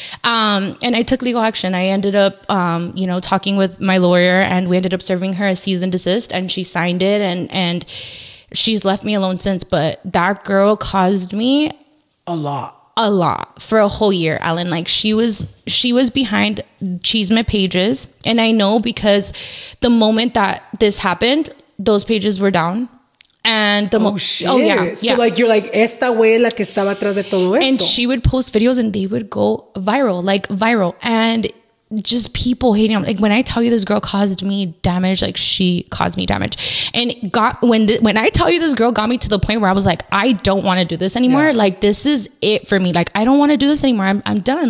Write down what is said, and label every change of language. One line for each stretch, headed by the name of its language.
English: And I took legal action. I ended up, you know, talking with my lawyer, and we ended up serving her a cease and desist, and she signed it, and she's left me alone since. But that girl caused me a lot for a whole year, Alan. Like, she was behind chisme pages, and I know, because the moment that this happened, those pages were down. And the So like, you're like,
Spanish: esta wey la que estaba atrás de todo eso.
English: And she would post videos and they would go viral, and just people hating on, like, when I tell you, this girl caused me damage. Like, she caused me damage, and when I tell you, this girl got me to the point where I was like, I don't want to do this anymore. Yeah. Like, this is it for me. Like, I don't want to do this anymore. I'm done.